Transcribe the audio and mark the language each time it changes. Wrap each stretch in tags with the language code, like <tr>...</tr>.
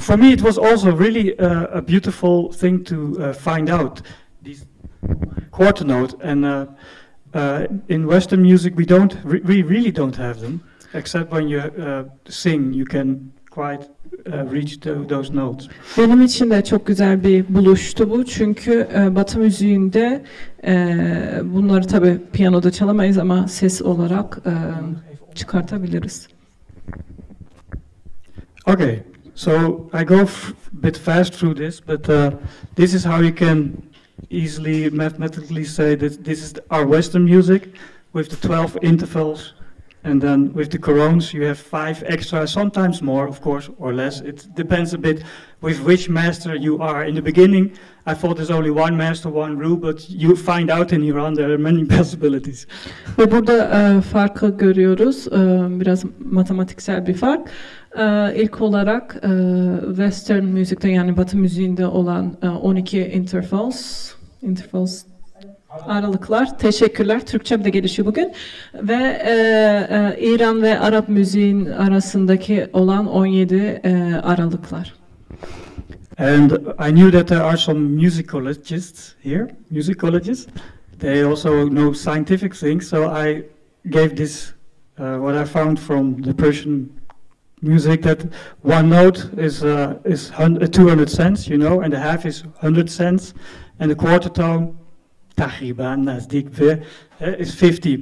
<en>For me, it was also really a beautiful thing to find out these quarter notes. And in Western music, we really don't have them, except when you sing, you can quite reach those notes.</en> <tr>Benim için de çok güzel bir buluştu bu, çünkü Batı müziğinde bunları tabii piyanoda çalamayız ama ses olarak çıkartabiliriz.</tr> <en>Okay, so I go bit fast through this, but this is how you can easily mathematically say that this is our Western music with the 12 intervals, and then with the corones you have 5 extra, sometimes more, of course, or less. It depends a bit with which master you are. In the beginning, I thought there's only one master, one rule, but you find out in Iran there are many possibilities.</en> <tr>Ve burada farkı görüyoruz, biraz matematiksel bir fark. İlk olarak Western müzikte, yani Batı müziğinde olan 12 intervals aralıklar. Teşekkürler. Türkçem de gelişiyor bugün. Ve İran ve Arap müziğin arasındaki olan 17 aralıklar.</tr> <en>And I knew that there are some musicologists here. Musicologists. They also know scientific things. So I gave this what I found from the Persian music, that one note is 200 cents, you know, and a half is 100 cents, and a quarter tone,</en> <fa>tahriban nazdik ve,</fa> <en>is 50.</en>